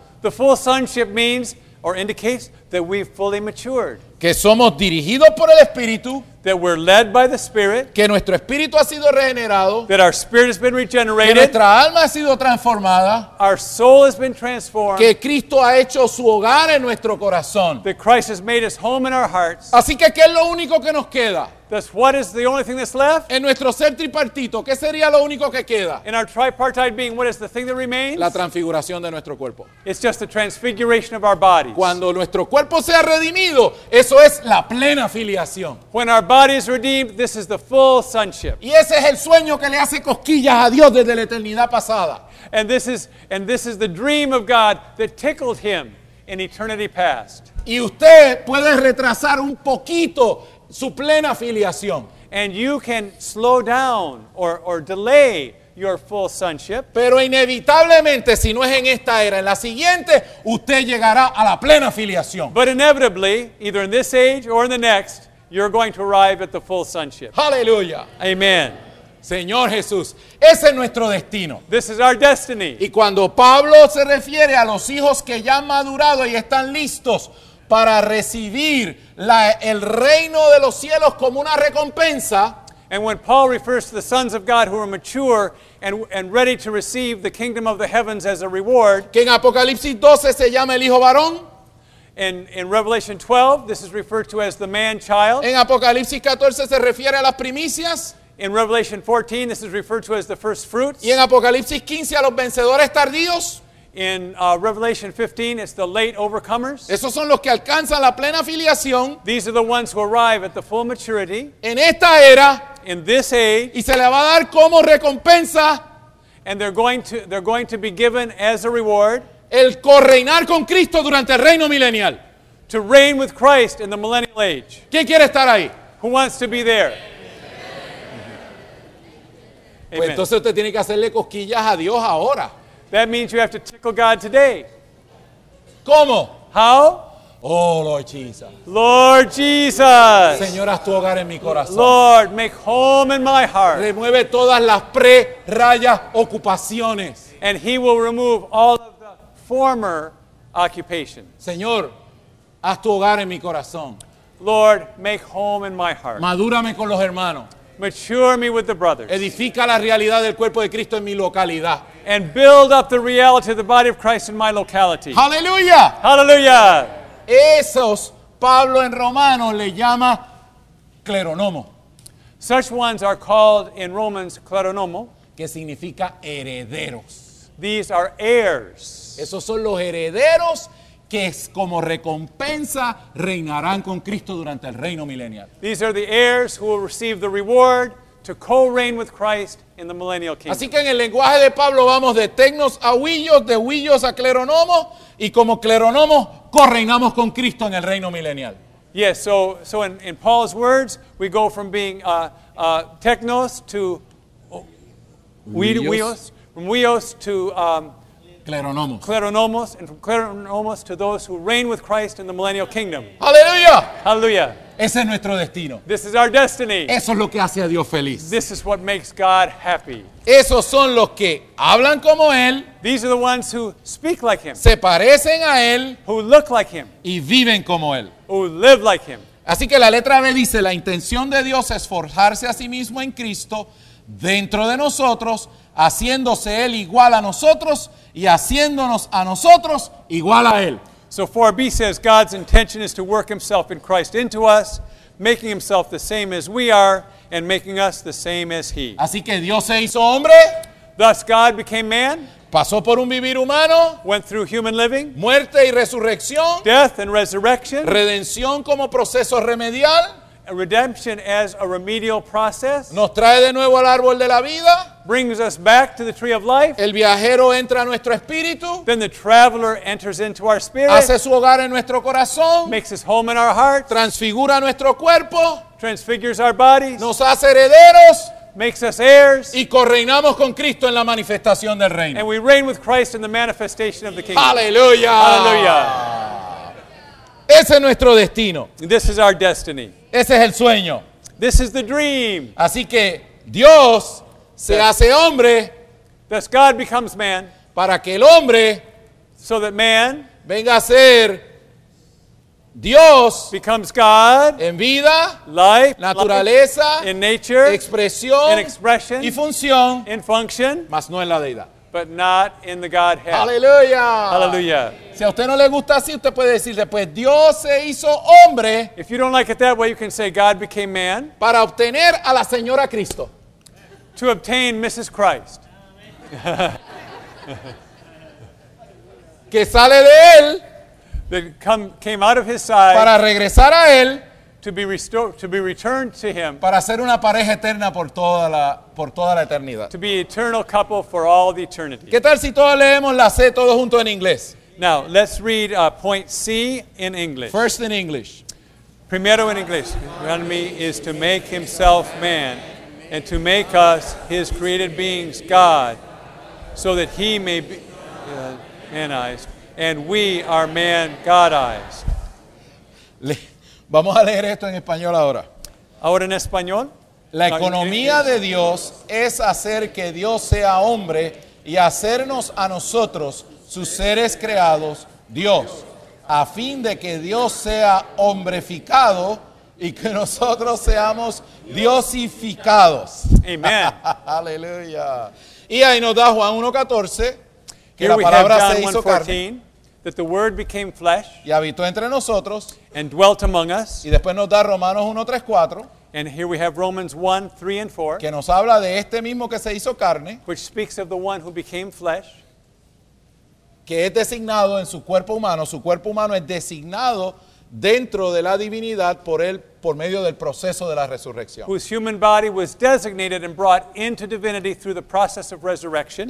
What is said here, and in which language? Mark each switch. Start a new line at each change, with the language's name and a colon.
English: The full sonship means or indicates that we've fully matured.
Spanish: Que somos dirigidos por el Espíritu.
English: That we're led by the Spirit.
Spanish: Que nuestro espíritu ha sido regenerado.
English: That our spirit has been regenerated.
Spanish: Que nuestra alma ha sido transformada.
English: Our soul has been transformed.
Spanish: Que Cristo ha hecho su hogar en nuestro corazón.
English: That Christ has made his home in our hearts.
Spanish: Así que, ¿qué es lo único que nos queda?
English: That's what is the only thing that's left?
Spanish: En nuestro ser tripartito, ¿qué sería lo único que queda?
English: In our tripartite being, what is the thing that remains?
Spanish: La transfiguración de nuestro cuerpo.
English: It's just the transfiguration of our bodies.
Spanish: Cuando nuestro cuerpo sea redimido, eso es la plena filiación.
English: When our body is redeemed, this is the full sonship.
Spanish: Y ese es el sueño que le hace cosquillas a Dios desde la eternidad pasada.
English: And this is the dream of God that tickled him in eternity past.
Spanish: Y usted puede retrasar un poquito su plena filiación.
English: And you can slow down or delay your full sonship.
Spanish: Pero inevitablemente, si no es en esta era, en la siguiente, usted llegará a la plena filiación.
English: But inevitably, either in this age or in the next, you're going to arrive at the full sonship. Hallelujah. Amen.
Spanish: Señor Jesús, ese es nuestro destino.
English: This is our destiny.
Spanish: Y cuando Pablo se refiere a los hijos que ya han madurado y están listos para recibir el reino de los cielos como una recompensa.
English: And when Paul refers to the sons of God who are mature and ready to receive the kingdom of the heavens as a reward.
Spanish: Que en Apocalipsis 12 se llama el hijo varón.
English: In Revelation 12, this is referred to as the man-child.
Spanish: En Apocalipsis 14 se refiere a las primicias.
English: In Revelation 14, this is referred to as the first fruits.
Spanish: Y en Apocalipsis 15 a los vencedores tardíos.
English: In Revelation 15, it's the late overcomers.
Spanish: Esos son los que alcanzan la plena filiación.
English: These are the ones who arrive at the full maturity.
Spanish: En esta era.
English: In this age.
Spanish: Y se le va a dar como recompensa.
English: And they're going to be given as a reward.
Spanish: el correinar con Cristo durante el reino milenial.
English: To reign with Christ in the millennial age.
Spanish: ¿Quién quiere estar ahí?
English: Who wants to be there?
Spanish: Pues entonces usted tiene que hacerle cosquillas a Dios ahora.
English: That means you have to tickle God today.
Spanish: ¿Cómo?
English: How? Oh, Lord Jesus. Lord Jesus.
Spanish: Señor, haz tu hogar en mi corazón.
English: Lord, make home in my heart.
Spanish: Remueve todas las pre-rayas ocupaciones.
English: And he will remove all of the former occupation.
Spanish: Señor, haz tu hogar en mi corazón.
English: Lord, make home in my heart.
Spanish: Madúrame con los hermanos.
English: Mature me with the brothers.
Spanish: Edifica la realidad del cuerpo de Cristo en mi localidad.
English: And build up the reality of the body of Christ in my locality. Hallelujah. Hallelujah.
Spanish: Esos Pablo en Romanos le llama cleronomo.
English: Such ones are called in Romans cleronomo,
Spanish: que significa herederos.
English: These are heirs.
Spanish: Esos son los herederos que como recompensa reinarán con Cristo durante el reino milenial.
English: These are the heirs who will receive the reward to co-reign with Christ in the millennial kingdom.
Spanish: Así que en el lenguaje de Pablo vamos de tecnos a huillos, de huillos a cleronomos, y como cleronomos co-reinamos con Cristo en el reino milenial.
English: Yes, so in Paul's words, we go from being tecnos to huillos, from huillos to cleronomos. Cleronomos, and from cleronomos to those who reign with Christ in the millennial kingdom. Hallelujah! Hallelujah!
Spanish: Ese es nuestro destino.
English: This is our destiny.
Spanish: Eso es lo que hace a Dios feliz.
English: This is what makes God happy.
Spanish: Esos son los que hablan como Él.
English: These are the ones who speak like Him.
Spanish: Se parecen a Él.
English: Who look like Him.
Spanish: Y viven como Él.
English: Who live like Him.
Spanish: Así que la letra B dice, la intención de Dios es forjarse a sí mismo en Cristo dentro de nosotros, haciéndose Él igual a nosotros y haciéndonos a nosotros igual a Él.
English: So 4b says, God's intention is to work himself in Christ into us, making himself the same as we are, and making us the same as he.
Spanish: Así que Dios se hizo hombre.
English: Thus God became man.
Spanish: Pasó por un vivir humano.
English: Went through human living.
Spanish: Muerte y resurrección.
English: Death and resurrection.
Spanish: Redención como proceso remedial.
English: Redemption as a remedial process.
Spanish: Nos trae de nuevo al árbol de la vida.
English: Brings us back to the tree of life.
Spanish: El viajero entra a nuestro espíritu.
English: Then the traveler enters into our spirit.
Spanish: Hace su hogar en nuestro corazón.
English: Makes his home in our heart.
Spanish: Transfigura nuestro cuerpo.
English: Transfigures our bodies.
Spanish: Nos hace herederos.
English: Makes us heirs.
Spanish: Y correinamos con Cristo en la manifestación del reino.
English: And we reign with Christ in the manifestation of the kingdom. Hallelujah. Hallelujah.
Spanish: Ese es nuestro destino.
English: This is our destiny.
Spanish: Ese es el sueño.
English: This is the dream.
Spanish: Así que Dios se hace hombre.
English: Thus God becomes man.
Spanish: Para que el hombre,
English: so that man,
Spanish: venga a ser Dios.
English: Becomes God.
Spanish: En vida,
English: life,
Spanish: naturaleza,
English: in nature,
Spanish: expresión,
English: in expression,
Spanish: y función,
English: in function,
Spanish: mas no en la deidad.
English: But not in the Godhead. Hallelujah. Hallelujah.
Spanish: Si a usted no le gusta así, usted puede decir después, Dios se hizo hombre.
English: If you don't like it that way, you can say God became man.
Spanish: Para obtener a la señora Cristo.
English: To obtain Mrs. Christ.
Spanish: Que sale de él.
English: That came out of his side.
Spanish: Para regresar a él.
English: To be returned to him.
Spanish: Para ser una pareja eterna por toda la eternidad.
English: To be eternal couple for all the eternity.
Spanish: ¿Qué tal si todos leemos la C todos juntos en inglés?
English: Now, let's read point C in English. First in English.
Spanish: Primero en inglés.
English: Deuteronomy is to make himself man and to make us his created beings God so that he may be manized and we are man godized.
Spanish: Vamos a leer esto en español ahora. Ahora en español. La economía de Dios es hacer que Dios sea hombre y hacernos a nosotros, sus seres creados, Dios, a fin de que Dios sea hombreficado y que nosotros seamos diosificados. Amén. Aleluya. Y ahí nos da Juan 1:14, que la palabra se hizo carne.
English: That the word became flesh
Spanish: y habitó entre nosotros,
English: and dwelt among us.
Spanish: Y después nos da Romanos 1:3-4,
English: and here we have Romans 1:3-4,
Spanish: que nos habla de este mismo que se hizo carne,
English: which speaks of the one who became flesh,
Spanish: que es designado en su cuerpo humano es designado dentro de la divinidad por él, por medio del proceso de la resurrección.
English: Whose human body was designated and brought into divinity through the process of resurrection.